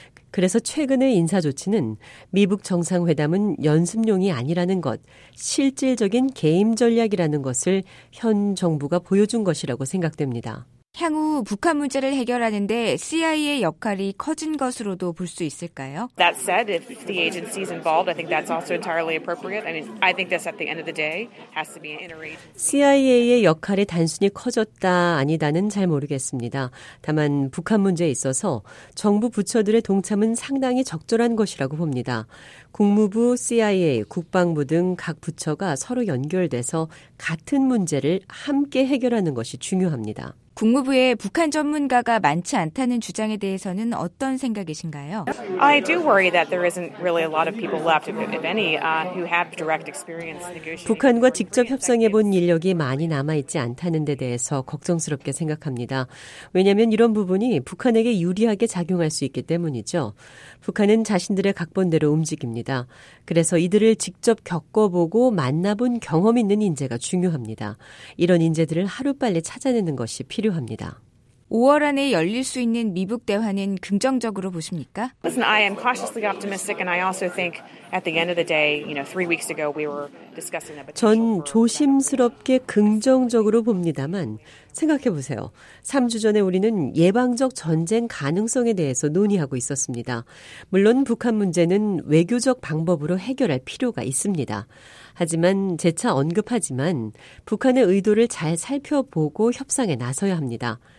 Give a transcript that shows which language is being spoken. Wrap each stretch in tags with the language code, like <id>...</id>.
<ko>그래서 최근의 인사 조치는 미북 정상회담은 연습용이 아니라는 것, 실질적인 게임 전략이라는 것을 현 정부가 보여준 것이라고 생각됩니다. 향후 북한 문제를 해결하는데 CIA의 역할이 커진 것으로도 볼 수 있을까요?</ko> <en>That said, if the agency is involved, I think that's also entirely appropriate. I mean, I think this at the end of the day has to be an interagency.</en> <ko>CIA의 역할이 단순히 커졌다 아니다는 잘 모르겠습니다. 다만 북한 문제에 있어서 정부 부처들의 동참은 상당히 적절한 것이라고 봅니다. 국무부, CIA, 국방부 등 각 부처가 서로 연결돼서 같은 문제를 함께 해결하는 것이 중요합니다. 국무부에 북한 전문가가 많지 않다는 주장에 대해서는 어떤 생각이신가요?</ko> <en>I do worry that there isn't really a lot of people left, if any, who have direct experience negotiating.</en> <ko>북한과 직접 협상해 본 인력이 많이 남아 있지 않다는 데 대해서 걱정스럽게 생각합니다. 왜냐하면 이런 부분이 북한에게 유리하게 작용할 수 있기 때문이죠. 북한은 자신들의 각본대로 움직입니다. 그래서 이들을 직접 겪어보고 만나본 경험 있는 인재가 중요합니다. 이런 인재들을 하루빨리 찾아내는 것이 필요합니다. 5월 안에 열릴 수 있는 미북 대화는 긍정적으로 보십니까?</ko> <en>Listen, I am cautiously optimistic, and I also think at the end of the day, you know, three weeks ago we were discussing a.</en> <ko>전 조심스럽게 긍정적으로 봅니다만 생각해 보세요. 3주 전에 우리는 예방적 전쟁 가능성에 대해서 논의하고 있었습니다. 물론 북한 문제는 외교적 방법으로 해결할 필요가 있습니다. 하지만 재차 언급하지만 북한의 의도를 잘 살펴보고 협상에 나서야 합니다.</ko>